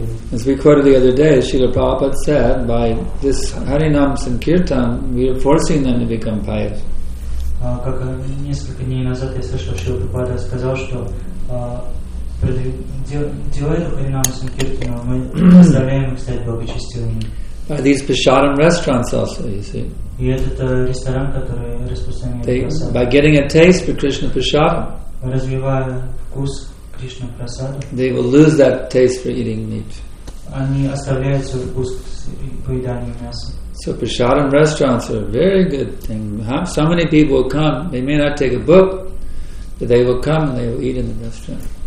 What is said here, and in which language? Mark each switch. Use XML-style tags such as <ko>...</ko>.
<en>As we quoted the other day, Srila Prabhupada said, by this Harinam Sankirtan, we are forcing them to become pious.</en> <ru>Как несколько дней назад я слышал, Шрила Прабхупада сказал, что делая Харинам Санкиртана, мы заставляем их стать благочестивыми.</ru> <en>By these Pasharam restaurants also, you see.</en> <ru>И этот ресторан, который распространяет</ru> <en>Прасад. By getting a taste for Krishna Pasharam.</en> <ru>Развивая вкус.</ru> <en>They will lose that taste for eating meat. So prasadam restaurants are a very good thing. So many people will come, they may not take a book, but they will come and they will eat in the restaurant.</en>